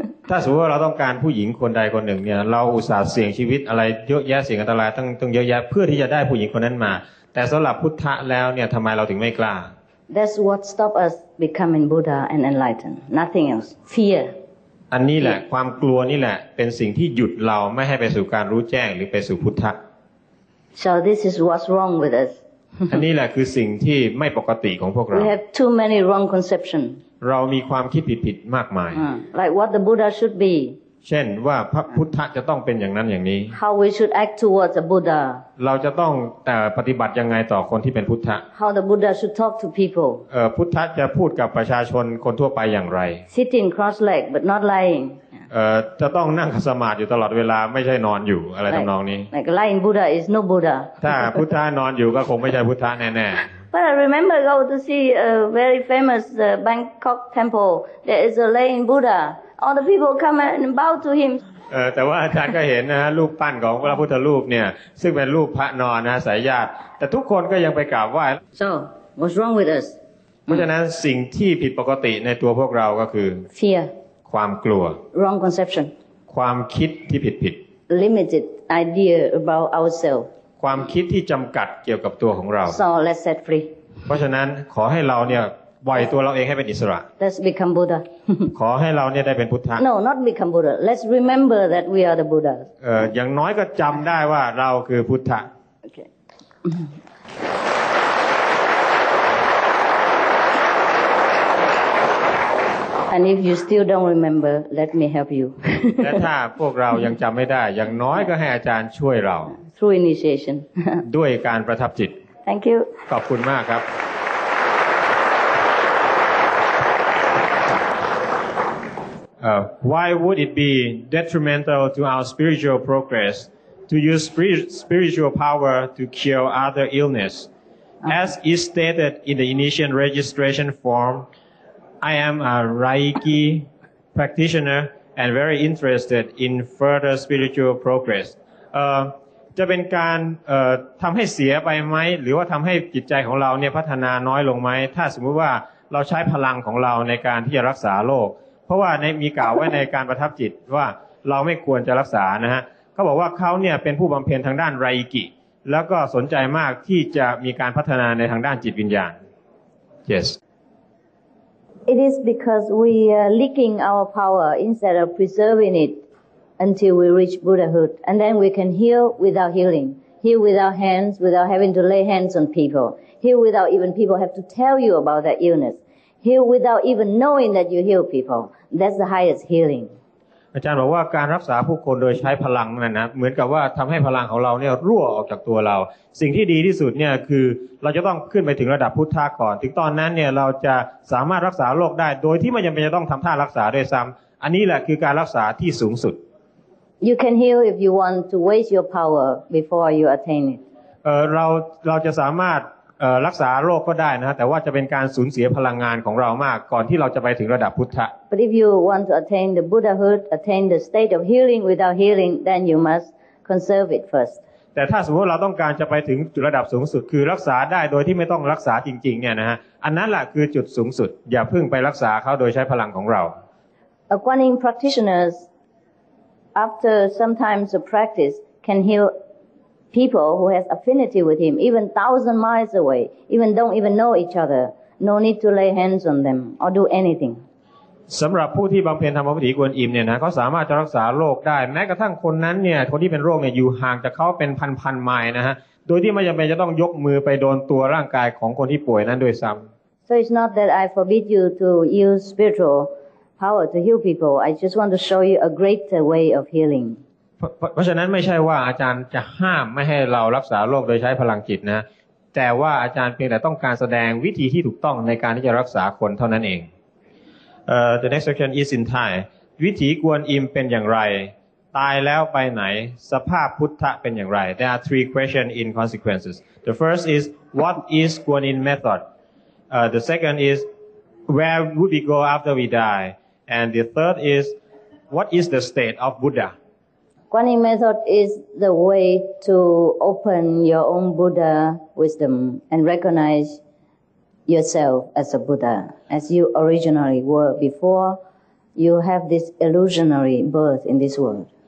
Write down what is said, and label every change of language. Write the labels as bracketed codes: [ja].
[th] ถ้าสมมติว่าเราต้องการผู้หญิงคนใดคนหนึ่งเนี่ยเราอุตส่าห์เสี่ยงชีวิตอะไรเยอะแยะเสี่ยงอันตรายตั้งเยอะแยะเพื่อที่จะได้ผู้หญิงคนนั้นมาแต่สำหรับพุทธะแล้วเนี่ยทำไมเราถึงไม่กล้า [en] That's what stop us becoming Buddha and enlightened nothing else fear [th] อันนี้แหละความกลัวนี่แหละเป็นสิ่งที่หยุดเราไม่ให้ไปสู่การรู้แจ้งหรือไปสู่พุทธะ [en] So this is what's wrong with us. [th] อันนี้แหละคือสิ่งที่ไม่ปกติของพวกเรา [en] We have too many wrong conception. [th] เรามีความคิดผิดมากมาย [en] Like what the Buddha should be. [th] เช่นว่าพระพุทธะจะต้องเป็นอย่างนั้นอย่างนี้ [en] How we should act towards the Buddha. [th] เราจะต้องปฏิบัติยังไงต่อคนที่เป็นพุทธะ [en] How the Buddha should talk to people. [th] พุทธะจะพูดกับประชาชนคนทั่วไปอย่างไร [en] Sitting cross-legged but not lying. [th] จะต้องนั่งสมาธิอยู่ตลอดเวลาไม่ใช่นอนอยู่อะไรทำนองนี้ [en] Like lying Buddha is no Buddha [th] ถ้าพุทธะนอนอยู่ก็คงไม่ใช่พุทธะแน่ๆ [en] But I remember go to see a very famous Bangkok temple there is a lying Buddha all the people come and bow to him [th] แต่ว่าอาจารย์ก็เห็นนะรูปปั้นของพระพุทธรูปเนี่ยซึ่งเป็นรูปพระนอนนะสายญาติแต่ทุกคนก็ยังไปกราบไหว้ [en] So what's wrong with us [th] เพราะฉะนั้นสิ่งที่ผิดปกติในตัวพวกเราก็คือ [en] Fear [th] ความกลัว [en] wrong conception [th] ความคิดที่ผิด [en] limited idea about ourselves [th] ความคิดที่จำกัดเกี่ยวกับตัวของเรา [en] so let's set free [th] เพราะฉะนั้นขอให้เราเนี่ยปล่อยตัวเราเองให้เป็นอิสระ [en] let's become Buddha [th] ขอให้เราเนี่ยได้เป็นพุทธะ [en] no not become Buddha let's remember that we are the Buddha [th] อย่างน้อยก็จำได้ว่าเราคือพุทธะ [en] okay And if you still don't remember, let me help you. [th] และถ้าพวกเรายังจำไม่ได้อย่างน้อยก็ให้อาจารย์ช่วยเรา [en] Through initiation. [th] ด้วยการประทับจิต [en] Thank you. [th] ขอบคุณมากครับ [en] Why would it be detrimental to our spiritual progress to use spiritual power to cure other illness? As is stated in the initiation registration form,I am a Reiki practitioner and very interested in further spiritual progress. [th] จะเป็นการทำให้เสียไปไหมหรือว่าทำให้จิตใจของเราเนี่ยพัฒนาน้อยลงไหมถ้าสมมติว่าเราใช้พลังของเราในการที่จะรักษาโรคเพราะว่าในมีกล่าวไว้ในการประทับจิตว่าเราไม่ควรจะรักษานะฮะเขาบอกว่าเขาเนี่ยเป็นผู้บำเพ็ญทางด้านReikiแล้วก็สนใจมากที่จะมีการพัฒนาในทางด้านจิตวิญญาณ [en] Yes. It is because we are leaking our power instead of preserving it until we reach Buddhahood, and then we can heal without healing, heal without hands, without having to lay hands on people, heal without even people have to tell you about that illness, heal without even knowing that you heal people. That's the highest healing. [th] อาจารย์บอกว่าการรักษาผู้คนโดยใช้พลังนั่นนะเหมือนกับว่าทำให้พลังของเราเนี่ยรั่วออกจากตัวเราสิ่งที่ดีที่สุดเนี่ยคือเราจะต้องขึ้นไปถึงระดับพุทธะก่อนถึงตอนนั้นเนี่ยเราจะสามารถรักษาโรคได้โดยที่ไม่จำเป็นจะต้องทำท่ารักษาด้วยซ้ำอันนี้แหละคือการรักษาที่สูงสุด [en] You can heal if you want to waste your power before you attain it [th] เราจะสามารถ รักษาโรคก็ได้นะฮะแต่ว่าจะเป็นการสูญเสียพลังงานของเรามากก่อนที่เราจะไปถึงระดับพุทธะ [en] But if you want to attain the Buddhahood attain the state of healing without healing then you must conserve it first [th] แต่ถ้าสมมติเราต้องการจะไปถึงจุดระดับสูงสุดคือรักษาได้โดยที่ไม่ต้องรักษาจริงๆเนี่ยนะฮะอันนั้นล่ะคือจุดสูงสุดอย่าเพิ่งไปรักษาเขาโดยใช้พลังของเรา [en] A Guanyin practitioners after sometimes of practice can healPeople who has affinity with him, even thousand miles away, even don't even know each other, no need to lay hands on them or do anything. [th] สำหรับผู้ที่บำเพ็ญธรรมวิถีกวนอิมเนี่ยนะเขาสามารถจะรักษาโรคได้แม้กระทั่งคนนั้นเนี่ยคนที่เป็นโรคเนี่ยอยู่ห่างจากเขาเป็นพันๆไมล์นะฮะโดยที่ไม่จำเป็นจะต้องยกมือไปโดนตัวร่างกายของคนที่ป่วยนั้นด้วยซ้ำ [en] So it's not that I forbid you to use spiritual power to heal people. I just want to show you a greater way of healing. [th] เพราะฉะนั้นไม่ใช่ว่าอาจารย์จะห้ามไม่ให้เรารักษาโรคโดยใช้พลังจิตนะแต่ว่าอาจารย์เพียงแต่ต้องการแสดงวิธีที่ถูกต้องในการที่จะรักษาคนเท่านั้นเอง [en] The next question is in Thai [th] วิถีกวนอิมเป็นอย่างไรตายแล้วไปไหนสภาพพุทธะเป็นอย่างไร [en] There are three questions in consequences The first is what is Guanyin method The second is where would we go after we die And the third is what is the state of Buddha Guanyin method is the way to open your own Buddha wisdom and recognize yourself as a Buddha, as you originally were before you have this illusionary birth in this world.